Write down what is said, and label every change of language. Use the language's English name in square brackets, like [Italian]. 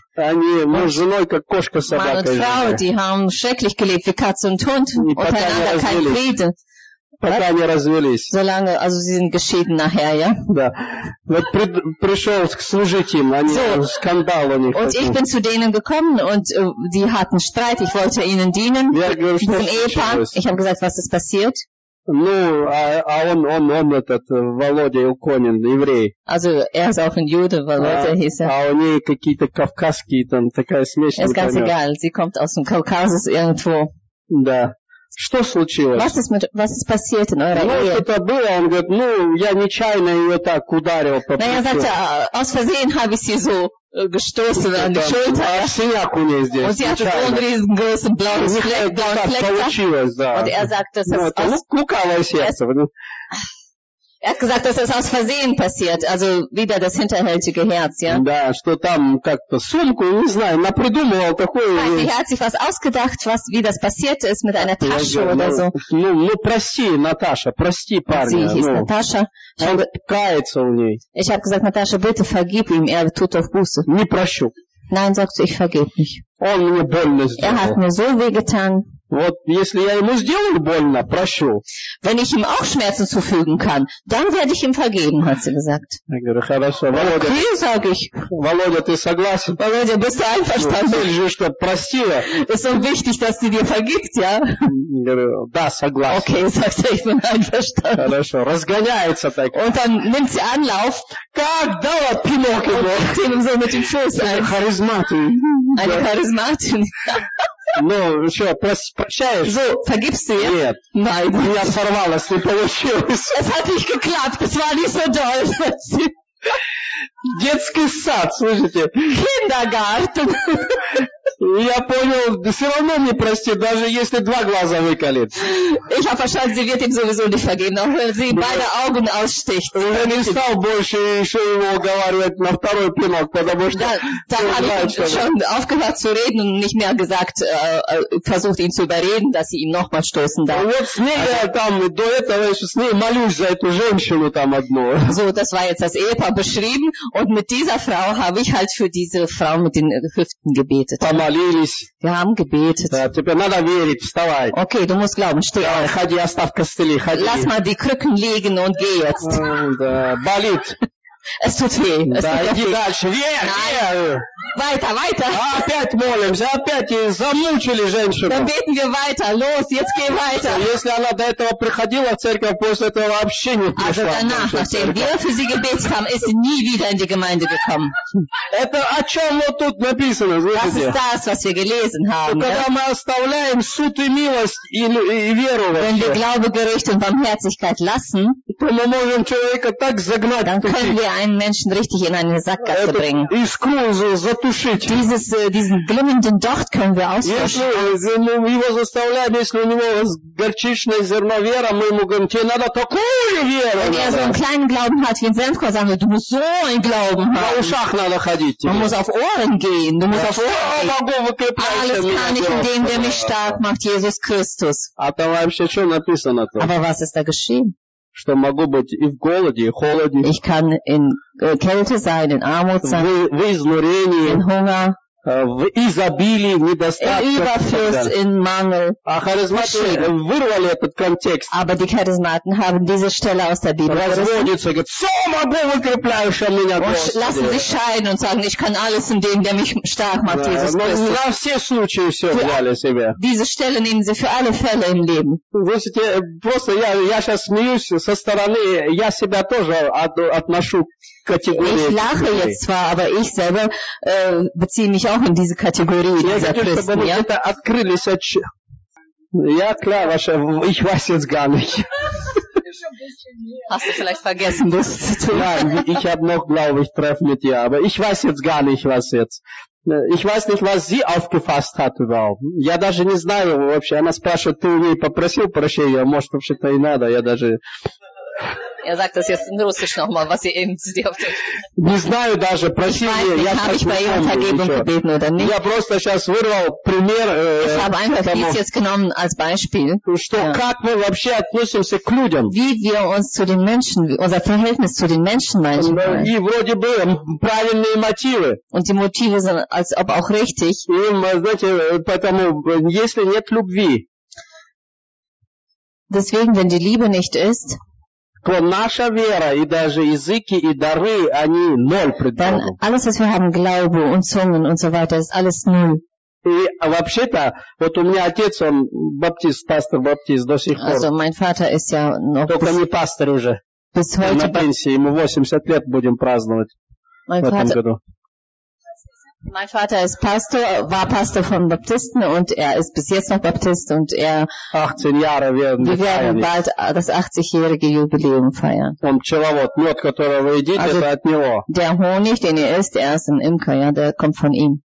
[Russian] Они, муж с женой, как кошка с собакой. [German] Mann und Frau, die haben schrecklich gelebt, wie Katze und Hund, untereinander kein Frieden. [Russian] Пока не развелись. [German] Solange, also sie sind geschieden nachher, ja? [Russian] Да. Вот пришел служить им, они [German] so, [Russian] скандал у них. [German] Und [Russian] хотим. [German] Ich bin zu denen gekommen und die hatten Streit, ich wollte ihnen dienen. [Russian] Я говорю, что случилось? [German] Ich habe gesagt, was ist passiert? [Russian] Ну, а он этот, Володя Уконин, еврей. [German] Also, er ist auch ein Jude, Володя, hieß er. [Russian] А у нее какие-то кавказские, там такая смесь. [German] Es ist ganz egal, sie kommt aus dem Kaukasus irgendwo. [Russian] Да. Что случилось? [German] Was ist passiert in eurer Ehe? [Russian] Ну, что-то было, он говорит, ну, я нечаянно ее так ударил по плечу. [German] Na, er sagte, aus Versehen habe ich sie so gestoßen an die Schulter. [Russian] А синяк у нее здесь, случайно. [German] Und sie hatte so einen riesengroßen blauen Fleck. [Russian] Получилось, да. [German] Und er sagt, das ist aus... [Russian] Ну, это лукавое сердце. [German] Er hat gesagt, dass das aus Versehen passiert, also wieder das hinterhältige Herz, ja? [Russian] Да, что там как-то сумку, не знаю, напридумывал такое. [German] Nein, sie hat sich was ausgedacht, was, wie das passiert ist mit einer Tasche ja, oder [Russian] ну, [German] so. [Russian] Ну, прости, Наташа, прости, парня. [German] Sie hieß [Russian] ну, Наташа. Он кается у ней. [German] Ich habe gesagt, Наташа, bitte vergib ihm, er tut auf Buße. [Russian] Не прощу. [German] Nein, sagst du, ich vergib nicht. [Russian] Он мне больно сделал. [German] Er hat mir so weh getan. [Russian] Вот если я ему сделаю больно, прощу. [German] Wenn ich ihm auch Schmerzen zufügen kann, dann werde ich ihm vergeben, hat sie gesagt. [Russian] Я говорю, хорошо, Володя. [German] Okay, sag ich. [Russian] Володя, ты согласен? [German] Володя, bist du einverstanden? [Russian] Ну, что, простила. [German] Das ist so wichtig, dass sie dir vergibt, ja? [Russian] Я говорю, да, согласен. [German] Okay, sagt er, ich bin einverstanden. [Russian] Хорошо, разгоняется так. [German] Und dann nimmt sie Anlauf. [Russian] Как дала пинок его? [German] Und ihm so mit dem Fuß ein. [Russian] Харизматин. [German] Eine Charismatin. [Russian] Ну, что, прощаешь? [German] So, vergibst du ihr? [Russian] Нет. [German] Nein. [Russian] У меня сорвалось, не получилось. [German] Es hat nicht geklappt, es war nicht so doll. [Russian] Детский сад, слышите? [German] Kindergarten. [Russian] Я понял, все равно не простит, даже если два глаза выколет. [German] Ich habe verstanden, sie wird ihm sowieso nicht vergeben, auch wenn sie beide Augen aussticht. [Russian] Уже не стал больше еще его уговаривать на второй пинок, потому что... [German] Da habe ich schon aufgehört zu reden und nicht mehr gesagt, versucht ihn zu überreden, dass sie ihm nochmal stoßen darf. [Russian] Вот с ней я там, до этого еще с ней молюсь за эту женщину там одну. [German] So, das war jetzt das Ehepaar beschrieben und mit dieser Frau habe ich halt für diese Frau mit den Hüften gebetet. [Russian] Молились. [German] Wir haben gebetet. [Russian] Да, теперь надо верить, вставай. [German] Okay, du musst glauben, steh auf. [Russian] Ходи, оставь костыли, ходи. [German] Lass mal die Krücken liegen und geh jetzt. [Russian] Да, болит. [German] Es tut weh. Es [Russian] да, [German] tut [Russian] иди [German] weh. [Russian] Дальше, верь. [German] Weiter, weiter. [Russian] Опять молимся, опять замучили женщину. [German] Dann beten wir weiter, los, jetzt geh weiter. [Russian] Если она до этого приходила в церковь, после этого вообще не пришла. [German] Also danach, nachdem wir für sie gebetet haben, ist sie nie wieder in die Gemeinde gekommen. [Russian] Это о чем вот тут написано, слышите? [German] Das ist das, was wir gelesen haben. [Russian] Когда [German] ja? [Russian] Мы оставляем суд и милость и веру вообще. [German] Wenn wir Glaube, Gericht und Barmherzigkeit lassen, [Russian] то мы можем человека так загнать. [German] Dann können wir einen Menschen richtig in eine Sackgasse bringen. [Russian] Искру затушить. [German] Diesen glimmenden Docht können wir ausfischen. [Russian] Его заставляем, если у него горчичное зерно вера, мы ему говорим, тебе надо такую веру. [German] Wenn er so einen kleinen Glauben hat wie ein Senfkorn, sagen wir, du musst so einen Glauben haben. На ушах надо ходить. Man muss auf Ohren gehen. Du musst auf Ohren gehen. Alles kann ich in dem, der mich stark macht, Jesus Christus. Aber was ist da geschehen? [Russian] Что могу быть и в голоде, и в холоде. [German] Ich kann in Kälte sein, in Armut sein. [Russian] В изнурении. [German] In Hunger. [Russian] В изобилии, недостатке. [German] In Überfluss, in Mangel. [Russian] А харизматы вырвали этот контекст. [German] Aber die Charismaten haben diese Stelle aus der Bibel. [Russian] Разводится, говорит, все могу, выкрепляющий меня, Господи. [German] Und lassen sich scheiden und sagen, ich kann alles in dem, der mich stark macht, Jesus Christus. [Russian] На все случаи все взяли себе. [German] Diese Stelle nehmen sie für alle Fälle im Leben. [Russian] Слушайте, просто я сейчас смеюсь со стороны, я себя тоже отношу. [German] Ich lache jetzt zwar, aber ich selber beziehe mich auch in diese Kategorie dieser Christen. Ich weiß jetzt gar nicht. Hast du vielleicht vergessen, das zu tun? Nein, ich habe noch, glaube ich, Treffen mit dir, aber ich weiß jetzt gar nicht, was jetzt. Ich weiß nicht, was sie aufgefasst hat überhaupt. [Russian] Я даже не знаю вообще. Она спрашивает, ты у нее попросил прощения? Может, вообще-то и надо. Я даже... [German] Er sagt das jetzt in Russisch nochmal, was sie eben zu dir auf dem... [Russian] Не знаю даже, проси [German] ich weiß, [Russian] я [German] habe ich bei ihrer Vergebung gebeten oder nicht. [Russian] Я просто сейчас вырвал пример... [German] Ich habe einfach [Russian] тому, [German] dies jetzt genommen als Beispiel. [Russian] Что, ja. Как мы вообще относимся к людям? [German] Wie wir uns zu den Menschen, unser Verhältnis zu den Menschen manchmal. [Russian] И вроде бы правильные мотивы. [German] Und die Motive sind als ob auch richtig. [Russian] И, знаете, поэтому, если нет любви... [German] Deswegen, wenn die Liebe nicht ist... [Russian] то наша вера и даже языки и дары они ноль пред Богом. [German] Dann alles, was wir haben, Glaube und Zungen und so weiter, ist alles null. [Russian] И вообще-то, вот у меня отец, он баптист, пастор баптист до сих [German] also, [Russian] пор. [German] Mein Vater ist ja noch [Russian] только не пастор уже. [German] Bis heute [Russian] на пенсии, ему 80 лет будем праздновать [German] mein [Russian] в этом [German] Vater... [Russian] году. [German] Mein Vater ist Pastor, war Pastor von Baptisten und er ist bis jetzt noch Baptist und er 18 Jahre werden wir werden feiern. Bald das 80-jährige Jubiläum feiern. Und [Russian] Pchelovod, Mjot, которого едите, это от него. [German] Der Honig, den ihr isst, er ist ein Imker, ja, der kommt von ihm.